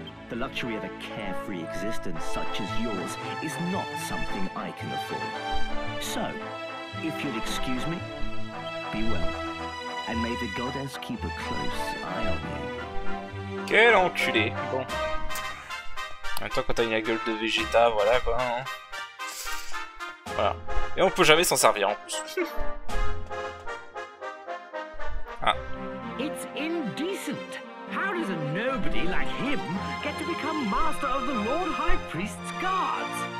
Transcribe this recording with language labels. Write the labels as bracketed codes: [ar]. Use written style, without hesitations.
[en] The luxury of a carefree existence such as yours is not something I can afford. So, if you'd excuse me, be well. And may the goddess keep a close eye on you. [fr] Quel enculé. Bon. Attends, quand t'as une gueule de Vegeta, voilà quoi. Hein. Voilà. Et on peut jamais s'en servir en plus. [en] It's indecent. How does a nobody like him get to become master of the Lord High Priest's guards?